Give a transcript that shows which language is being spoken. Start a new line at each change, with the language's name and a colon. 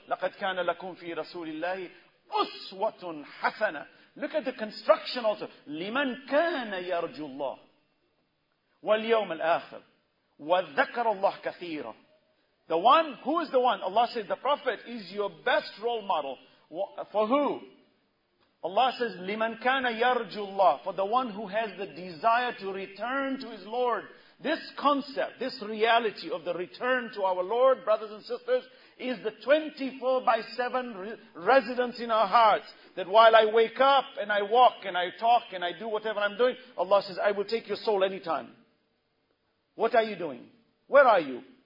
Arabic: لَقَدْ كَانَ لَكُمْ فِي رَسُولِ اللَّهِ أُسْوَةٌ حَسَنَةٌ.
English: Look at the construction also.
Arabic: لِمَنْ كَانَ يَرْجُ اللَّهِ وَالْيَوْمَ الْآخِرِ وَذَكَرَ اللَّهِ كَثِيرًا.
English: The one, who is the one? Allah says, the Prophet is your best role model. For who? Allah says,
Arabic: لِمَنْ كَانَ يَرْجُ اللَّهِ.
English: For the one who has the desire to return to his Lord. This concept, this reality of the return to our Lord, brothers and sisters, is the 24/7 residence in our hearts. That while I wake up and I walk and I talk and I do whatever I'm doing, Allah says, I will take your soul anytime. What are you doing? Where are you?